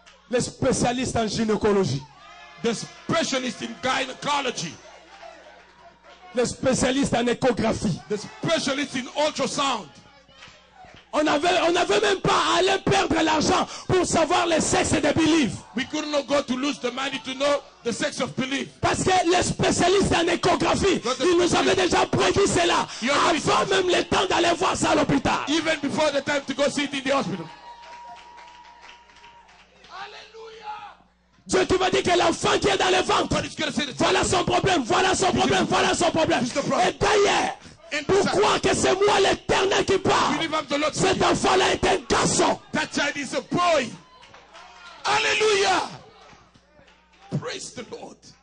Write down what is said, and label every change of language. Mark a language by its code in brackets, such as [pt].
[fr] Le spécialiste en gynécologie. [en] The specialist in gynecology. [fr] Le spécialiste en échographie. [en] The specialist in ultrasound. [fr] On avait même pas allé perdre l'argent pour savoir le sexe de Belief. [en] We could not go to lose the money to know the sex of Belief. [fr] Parce que le spécialiste en échographie, il nous avait déjà prédit cela avant même le temps d'aller voir ça à l'hôpital. [en] Even before the time to go see it in the hospital. [fr] Dieu, tu m'as dit que l'enfant qui est dans le ventre, voilà son problème, voilà son problème, voilà son problème. Et d'ailleurs, pour croire que c'est moi l'Éternel qui parle, cet enfant-là est un garçon. [en] That child is a boy. Alléluia. Praise the Lord.